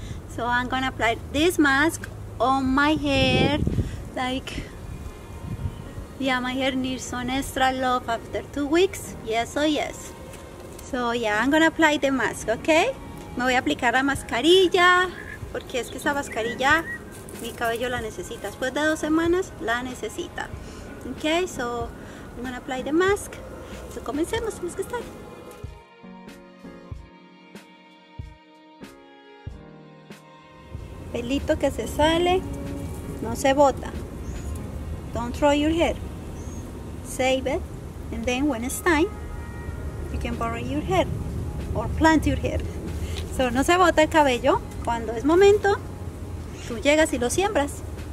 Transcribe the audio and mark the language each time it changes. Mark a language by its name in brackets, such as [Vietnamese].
[English] So I'm gonna apply this mask on my hair. Like, yeah, my hair needs some extra love after 2 weeks. Yes, oh yes. So yeah, I'm gonna apply the mask, okay? [Spanish] Me voy a aplicar la mascarilla, porque es que esa mascarilla, mi cabello la necesita. Después de 2 semanas, la necesita. [English] Okay, so I'm gonna apply the mask. [Spanish] So comencemos, tenemos que estar. Pelito que se sale, no se bota. [English] Don't throw your hair. Save it, and then when it's time, you can borrow your hair or plant your hair. [Spanish] So no se bota el cabello. Cuando es momento, tú llegas y lo siembras.